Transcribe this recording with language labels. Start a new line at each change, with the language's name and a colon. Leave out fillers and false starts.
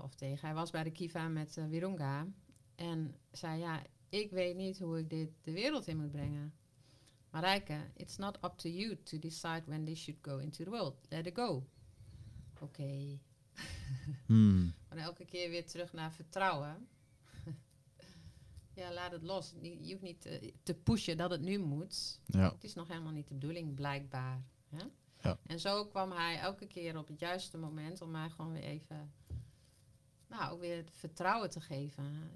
Dutch: Of tegen, hij was bij de Kiva met Virunga. En zei, ik weet niet hoe ik dit de wereld in moet brengen.
English: Marijke, it's not up to you to decide when this should go into the world. Let it go. Oké.
Dutch: Maar elke keer weer terug naar vertrouwen. laat het los. Je hoeft niet te pushen dat het nu moet. Ja. Het is nog helemaal niet de bedoeling, blijkbaar. Hè? Ja. En zo kwam hij elke keer op het juiste moment om mij gewoon weer even, ook weer het vertrouwen te geven.